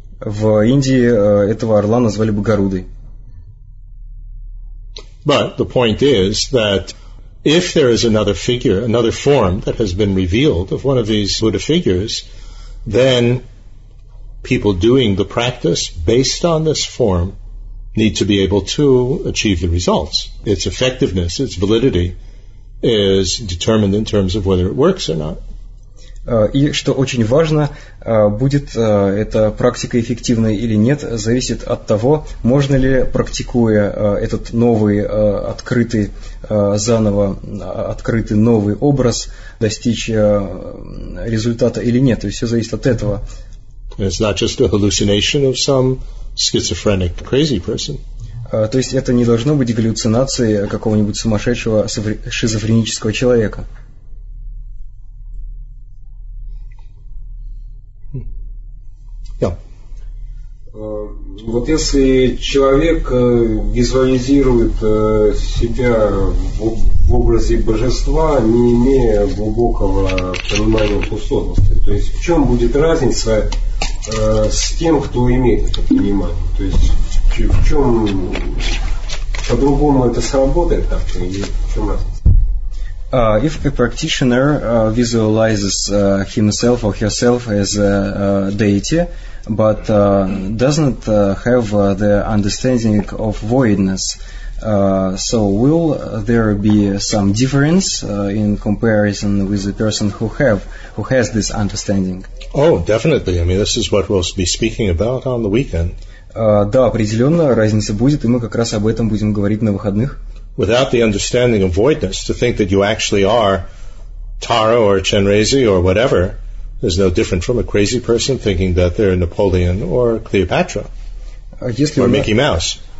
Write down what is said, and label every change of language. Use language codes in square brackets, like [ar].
[ru] В Индии этого орла назвали бы Гарудой. [en] But the point is that if there is another figure, another form that has been revealed of one of these Buddha figures, then people doing the practice based on this form need to be able to achieve the results. Its effectiveness, its validity is determined in terms of whether it works or not. [ru] И что очень важно, будет эта практика эффективной или нет, зависит от того, можно ли, практикуя этот новый, открытый новый образ, достичь результата или нет. То есть все зависит от этого. [en] It's not just a hallucination of some schizophrenic crazy person. [ru] То есть это не должно быть галлюцинацией какого-нибудь сумасшедшего шизофренического человека. Вот если человек визуализирует себя в образе божества, не имея глубокого понимания пустотности, то есть в чем будет разница с тем, кто имеет это понимание? То есть в чем по-другому это сработает как-то, или в чем разница? [en] If a practitioner visualizes himself or herself as a deity, but doesn't have the understanding of voidness, so will there be some difference in comparison with the person who has this understanding? Oh, definitely. I mean, this is what we'll be speaking about on the weekend. [ru] Да, определенно разница будет, и мы как раз об этом будем говорить на выходных. [en] Without the understanding of voidness, to think that you actually are Tara or Chenrezig or whatever is no different from a crazy person thinking that they're Napoleon or Cleopatra or Mickey Mouse.